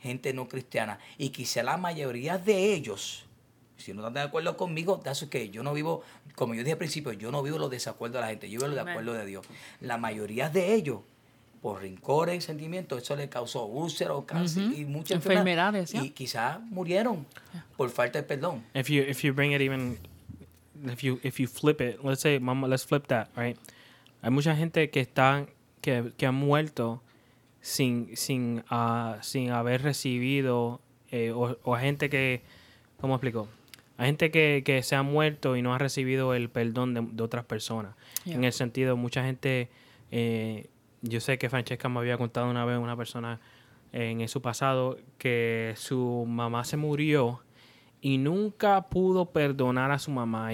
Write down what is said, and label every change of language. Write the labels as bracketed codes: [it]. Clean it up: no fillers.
[es] Gente no cristiana. Y quizá la mayoría de ellos, si no están de acuerdo conmigo, [en] that's okay. [es] Yo no vivo, como yo dije al principio, yo no vivo los desacuerdos de la gente, yo vivo los de acuerdo de Dios. La mayoría de ellos, por rencores y sentimientos, eso le causó úlceras, cáncer y muchas enfermedades. Y quizá murieron por falta de perdón. [en] If you bring it even, if you flip it, let's flip that, right? [es] Hay mucha gente que está que han muerto sin haber recibido o gente que, ¿cómo explico? Hay gente que se ha muerto y no ha recibido el perdón de otras personas. Yeah. En el sentido, mucha gente, yo sé que Francesca me había contado una vez una persona en su pasado que su mamá se murió y nunca pudo perdonar a su mamá.